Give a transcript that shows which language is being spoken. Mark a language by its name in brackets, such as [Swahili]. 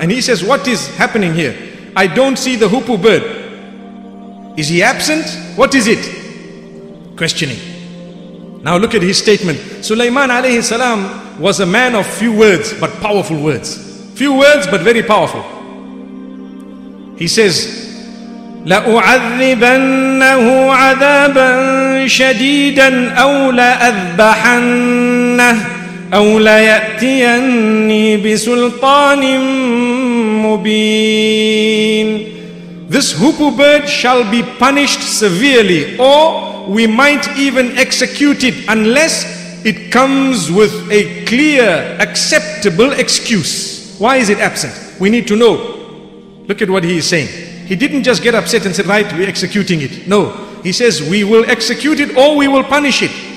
[English] And he says, what is happening here? I don't see the hoopoe bird. Is he absent? What is it? Questioning. Now look at his statement. Suleiman alayhi salam was a man of few words, but powerful words. Few words, but very powerful. He says, [Arabic] لَأُعَذِّبَنَّهُ عَذَابًا شَدِيدًا أَوْ لَأَذْبَحَنَّهُ أَوْ لَيَأْتِيَنِّي بِسُلْطَانٍ مُبِينٍ. [English] This hoopoe bird shall be punished severely, or we might even execute it unless it comes with a clear, acceptable excuse. Why is it absent? We need to know. Look at what he is saying. He didn't just get upset and said, right, we're executing it. No. He says, we will execute it or we will punish it.